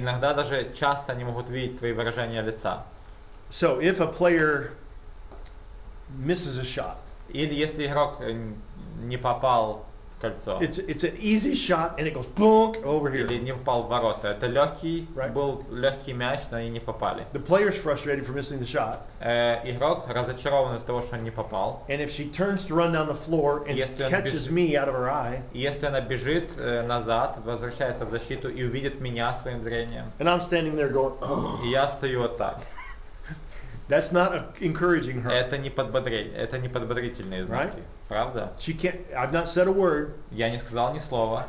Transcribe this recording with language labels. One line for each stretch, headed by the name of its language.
Russian: Иногда даже часто они могут видеть твои выражения лица.
English: So if a player misses a shot.
Russian: Или если игрок не попал в кольцо.
English: It's an easy shot and it goes boom over here.
Russian: Или не попал в ворота. Это легкий, right. Был легкий мяч, но они не попали.
English: The player's frustrated for missing the shot.
Russian: Игрок разочарован из-за того, что он не попал.
English: And if she turns to run down the floor and catches me out of her eye.
Russian: Если она бежит назад, возвращается в защиту и увидит меня своим зрением.
English: And I'm standing there going.
Russian: И я стою вот так.
English: That's not encouraging her.
Russian: Это не подбодрительные знаки. Правда?
English: She can't, I've not said a word.
Russian: Я не сказал ни слова.